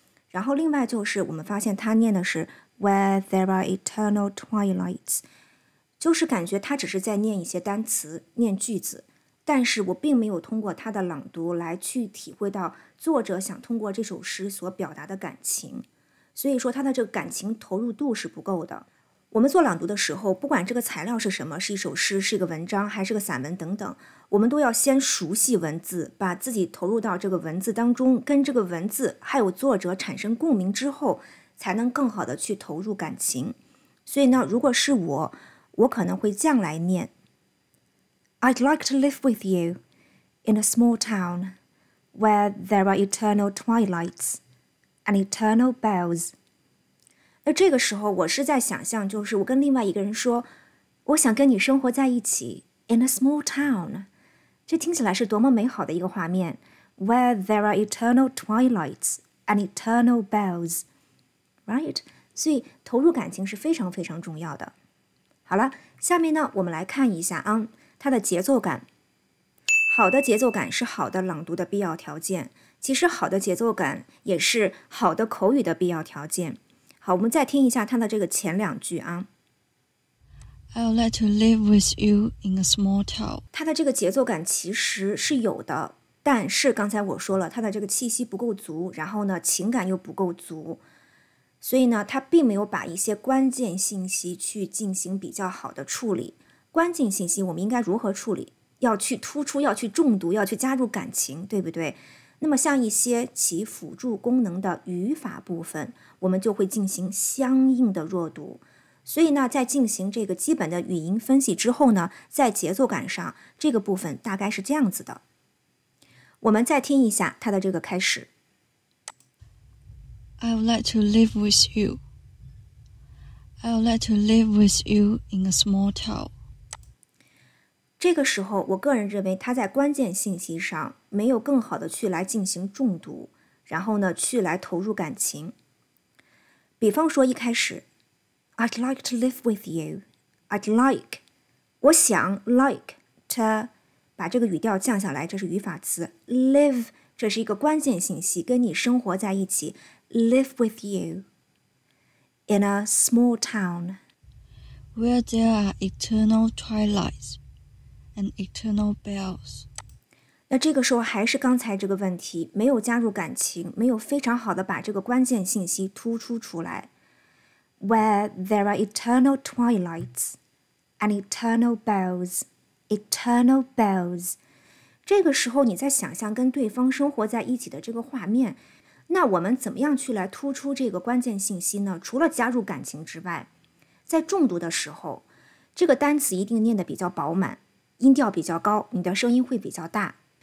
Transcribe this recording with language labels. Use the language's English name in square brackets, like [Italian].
[Chinese] 然后另外就是我们发现他念的是 [English] Where there are eternal twilights, [Chinese] 就是感觉他只是在念一些单词，念句子，但是我并没有通过他的朗读来去体会到作者想通过这首诗所表达的感情，所以说他的这个感情投入度是不够的。我们做朗读的时候，不管这个材料是什么，是一首诗，是一个文章，还是个散文等等，我们都要先熟悉文字，把自己投入到这个文字当中，跟这个文字还有作者产生共鸣之后，才能更好的去投入感情。所以呢，如果是我，我可能会这样来念 [English] I'd like to live with you in a small town where there are eternal twilights and eternal bells. [Chinese] 那这个时候我是在想象，就是我跟另外一个人说，我想跟你生活在一起 [English] in a small town. [Chinese] 这听起来是多么美好的一个画面 [English] where there are eternal twilights and eternal bells. Right? [Chinese] 所以投入感情是非常非常重要的。好了，下面呢我们来看一下啊，它的节奏感。好的节奏感是好的朗读的必要条件，其实好的节奏感也是好的口语的必要条件。好，我们再听一下它的这个前两句啊。 [English] I would like to live with you in a small town. [Chinese] 它的这个节奏感其实是有的，但是刚才我说了，它的这个气息不够足，然后呢，情感又不够足，所以呢，它并没有把一些关键信息去进行比较好的处理。关键信息我们应该如何处理？要去突出，要去重读，要去加入感情，对不对？那么像一些起辅助功能的语法部分，我们就会进行相应的弱读。所以呢，在进行这个基本的语音分析之后呢，在节奏感上，这个部分大概是这样子的。我们再听一下它的这个开始。 [English] I would like to live with you. I would like to live with you in a small town. [Chinese] 这个时候，我个人认为它在关键信息上没有更好的去来进行重读，然后呢，去来投入感情。比方说一开始 [English] I'd like to live with you. I'd like. [Chinese] 我想 [English] like to [Chinese] 把这个语调降下来，这是语法词。 Live, 这是一个关键信息，跟你生活在一起。 [English] Live with you in a small town. Where there are eternal twilights and eternal bells. [Chinese] 那这个时候还是刚才这个问题，没有加入感情，没有非常好的把这个关键信息突出出来。 [English] Where there are eternal twilights and eternal bells, eternal bells. [Chinese] 这个时候你在想象跟对方生活在一起的这个画面，那我们怎么样去来突出这个关键信息呢？除了加入感情之外，在重读的时候，这个单词一定念得比较饱满，音调比较高，你的声音会比较大。